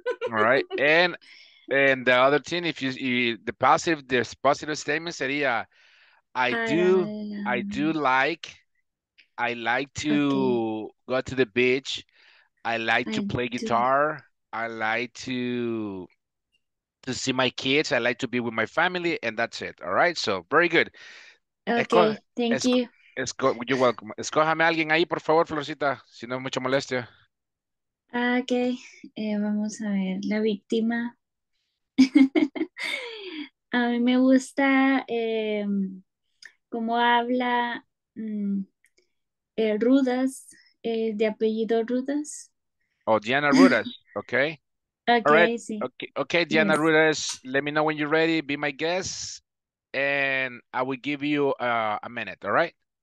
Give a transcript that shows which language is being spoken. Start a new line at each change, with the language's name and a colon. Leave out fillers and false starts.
English: All right, and the other thing, if you the passive, this positive statement sería, I like to go to the beach. I like to play guitar. I like to see my kids. I like to be with my family, and that's it. All right, so very good. Okay, thank you. You're welcome.
Spanish: Escójame a alguien ahí, por favor, Florcita, si no es mucha molestia. Okay, vamos a ver, la víctima. A mí me gusta cómo habla Rudas, de apellido Rudas.
English: Oh, Diana Rudas, okay. Okay, Diana yes. Rudas, let me know when you're ready, be my guest, and I will give you a minute, all right?